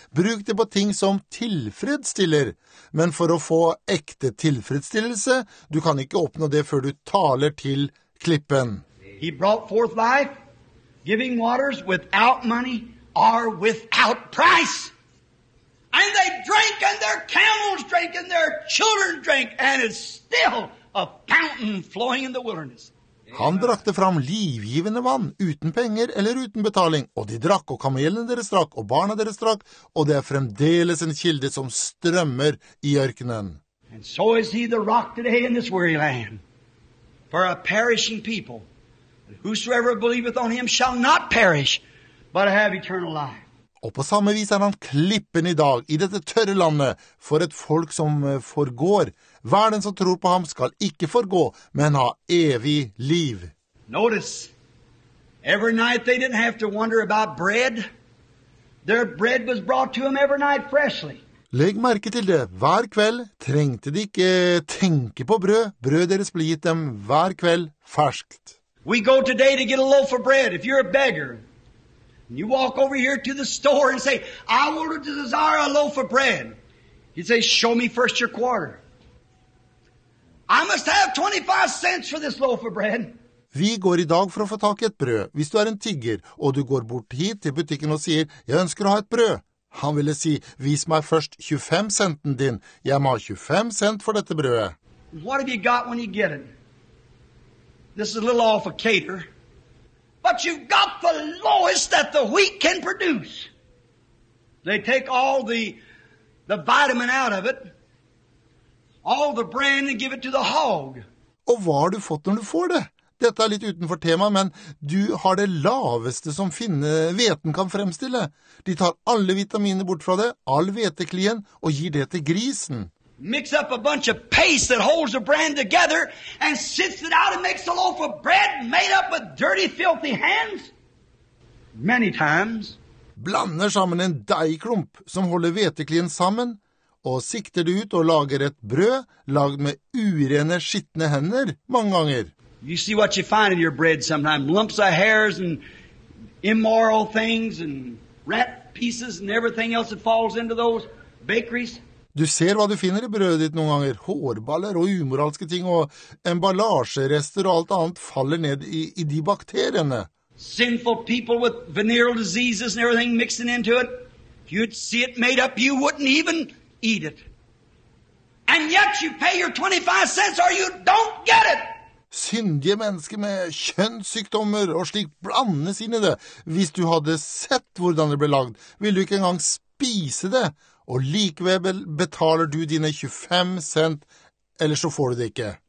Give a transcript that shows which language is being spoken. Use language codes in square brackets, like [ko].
[no] Bruk det på ting som tilfredsstiller. Men for å få ekte tilfredsstillelse, du kan ikke oppnå det før du taler til klippen. [en] He brought forth life, giving waters without money or without price. And they drank and their camels drank and their children drank and it's still a fountain flowing in the wilderness. [no] Han brakte fram livgivende vann, uten penger eller uten betaling, og de drakk, og kamelen deres drakk, og barna deres drakk, og det fremdeles en kilde som strømmer I ørkenen. [en] And so is he the rock today in this weary land, for a perishing people. Whosoever believeth on him shall not perish, but have eternal life. [no] Og på samme vis han klippen I dag, I dette tørre landet, for et folk som forgår. Hver den som tror på ham skal ikke forgå, men ha evig liv. [en] Notice, every night they didn't have to wonder about bread. Their bread was brought to them every night freshly. [no] Legg merke til det. Hver kveld trengte de ikke tenke på brød. Brød deres ble gitt dem hver kveld ferskt. [en] We go today to get a loaf of bread. If you're a beggar, you walk over here to the store and say, I want to desire a loaf of bread. He says, show me first your quarter. I must have 25 cents for this loaf of bread. [no] Vi går I dag for å få tak I et brød. Hvis du en tigger, og du går bort hit til butikken og sier, jeg ønsker å ha et brød. Han ville si, vis meg først 25 centen din. Jeg må ha 25 cent for dette brødet. [en] What have you got when you get it? This is a little off a cater. But you've got the lowest that the wheat can produce. They take all the the vitamin out of it, all the bran, and give it to the hog. [no] Og hva har du fått når du får det? Dette litt utenfor tema, men du har det laveste som finne veten kan fremstille. De tar alle vitaminer bort fra det, all veteklien, og gir det til grisen. [en] Mix up a bunch of paste that holds the bran together and sits it out and makes a loaf of bread made up with dirty, filthy hands? Many times. [no] Blander sammen en deigklump som holder veteklien sammen, og sikter det ut og lager et brød laget med urene, skittne hender mange ganger. [en] You see what you find in your bread sometimes, lumps of hairs and immoral things and rat pieces and everything else that falls into those bakeries. [no] Du ser hva du finner i brødet ditt noen ganger, hårballer og umoralske ting og emballasjerester og alt annet faller ned i de bakteriene. [en] Sinful people with venereal diseases and everything mixing into it. If you'd see it made up, you wouldn't even eat it. And yet you pay your 25 cents or you don't get it. [no] Syndige mennesker med kjønnssykdommer og slik blandes inn i det. Hvis du hadde sett hvordan det ble lagd, ville du ikke engang spise det. Og likevel betaler du dine 25 cent, eller så får du det ikke.